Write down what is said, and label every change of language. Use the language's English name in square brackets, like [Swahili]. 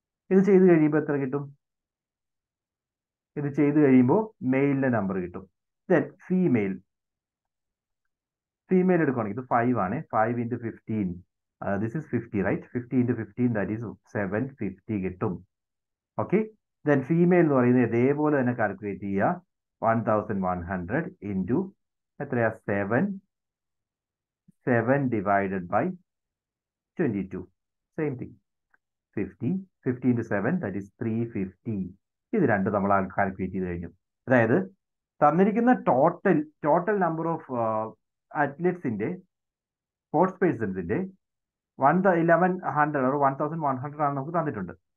[Malayalam] ഇത് ചെയ്ത് കഴിയുമ്പോൾ എത്ര കിട്ടും? ഇത് ചെയ്ത് കഴിയുമ്പോൾ മെയിലിന്റെ നമ്പർ കിട്ടും. ദെൻ ഫീമെയിൽ, ഫീമെയിൽ എടുക്കുകയാണെങ്കിൽ ഇത് 5 ആണ്. 5 × 15, [English] This is 50, right? [Malayalam] 15 × 15, [English] that is 750 [Malayalam] കിട്ടും. ഓക്കെ, ദെൻ ഫീമെയിൽ എന്ന് പറയുന്നത് ഇതേപോലെ തന്നെ കാൽക്കുലേറ്റ് ചെയ്യുക. [English] 1100 into [Malayalam] എത്രയാ [English] 7 divided by 22. Same thing. 50, 50 into 7, that is 350. [Malayalam] ഇത് രണ്ട് നമ്മൾ കാൽക്കുലേറ്റ് ചെയ്ത് കഴിഞ്ഞു. അതായത് തന്നിരിക്കുന്ന total number of അത്ലറ്റ്സിന്റെ sports പേഴ്സൺസിന്റെ 1100 or 1100 ആണ് നമുക്ക് തന്നിട്ടുണ്ട്.